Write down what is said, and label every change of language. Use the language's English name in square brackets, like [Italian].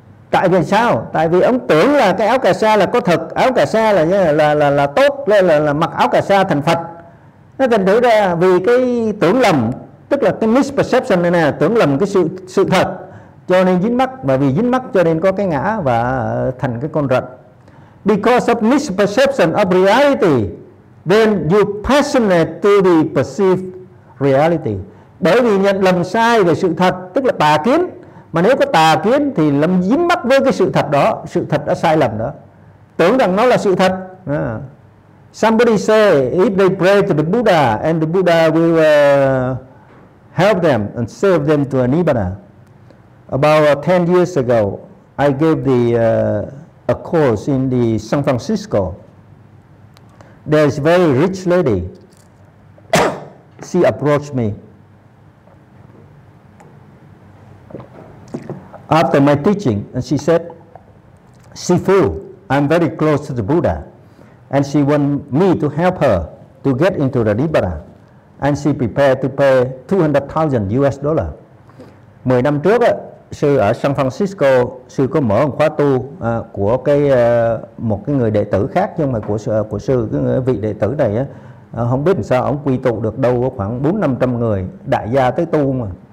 [Vietnamese] Tại vì sao? Tại vì ông tưởng là cái áo cà sa là có thật, áo cà sa là tốt, là mặc áo cà sa thành Phật. Nó thành thử ra vì cái tưởng lầm, tức là cái misperception này nè, tưởng lầm cái sự thật, cho nên dính mắc, và vì dính mắc cho nên có cái ngã và thành cái con rận. [English] Because of misperception of reality, then you passionate to the perceived reality. [Vietnamese] Bởi vì nhận lầm sai về sự thật, tức là tà kiến. Mà nếu có tà kiến thì lầm dính mắc với cái sự thật đó, sự thật đã sai lầm đó, tưởng rằng nó là sự thật. [English] Somebody say if they pray to the Buddha and the Buddha will help them and serve them to a Nibbana. About 10 years ago, I gave the a course in the San Francisco. There's a very rich lady. She approached me. After my teaching, and she said, Sifu, I'm very close to the Buddha, and she want me to help her to get into the Nibbana, and she prepared to pay $200,000. [Vietnamese] 10 năm trước, sư ở San Francisco, sư có mở một khóa tu của cái một cái người đệ tử khác, nhưng mà của sư, cái vị đệ tử này, không biết làm sao, ông quy tụ được đâu có khoảng 400-500 người, đại gia tới tu mà.